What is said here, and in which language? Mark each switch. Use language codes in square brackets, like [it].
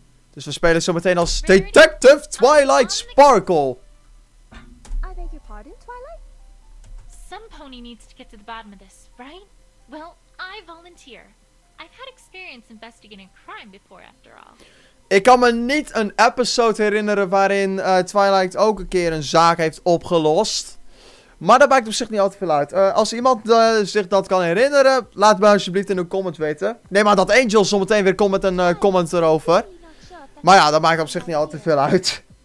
[nl] Dus we spelen zo meteen als Detective Twilight Sparkle. [en] I beg your pardon, Twilight? Some pony needs to get to the bottom of this, right? Well, I volunteer. I've had experience investigating crime before, after all. [nl] Ik kan me niet een episode herinneren waarin Twilight ook een keer een zaak heeft opgelost. Maar dat maakt op zich niet al te veel uit. Als iemand zich dat kan herinneren, laat me alsjeblieft in de comment weten. Nee, maar dat Angel zometeen weer komt met een comment erover. Maar ja, dat maakt op zich niet al te veel uit.